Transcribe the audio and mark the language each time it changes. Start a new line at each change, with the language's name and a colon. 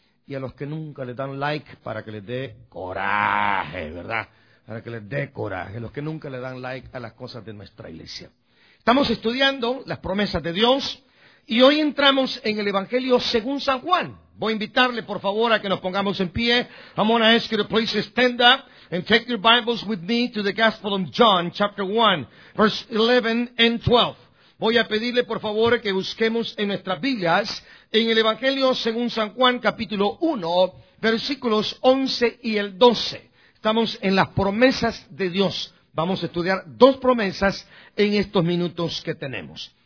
Spanish: Y a los que nunca le dan like, para que les dé coraje, ¿verdad? Para que les dé coraje. Los que nunca le dan like a las cosas de nuestra iglesia. Estamos estudiando las promesas de Dios y hoy entramos en el Evangelio según San Juan. Voy a invitarle, por favor, a que nos pongamos en pie.
English: I'm going to ask you to please stand up and take your Bibles with me to the Gospel of John, chapter 1, verse 11 and 12.
Spanish: Voy a pedirle, por favor, que busquemos en nuestras Biblias, en el Evangelio según San Juan, capítulo 1, versículos 11 y el 12. Estamos en las promesas de Dios. Vamos a estudiar dos promesas en estos minutos que tenemos.